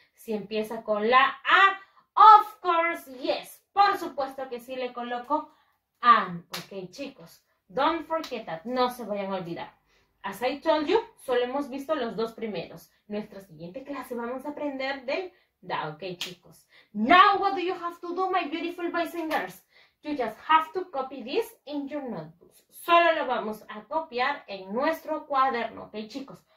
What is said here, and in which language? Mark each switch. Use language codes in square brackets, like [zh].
[es] Si empieza con la A, [en] of course, yes. [es] Por supuesto que sí le coloco an. Ok, chicos, [en] don't forget that. [es] No se vayan a olvidar. [en] As I told you, [es] solo hemos visto los dos primeros. Nuestra siguiente clase vamos a aprender del da, ok, chicos. [en] Now, what do you have to do, my beautiful boys and girls? You just have to copy this in your notebooks. [es] Solo lo vamos a copiar en nuestro cuaderno, ¿ok, chicos?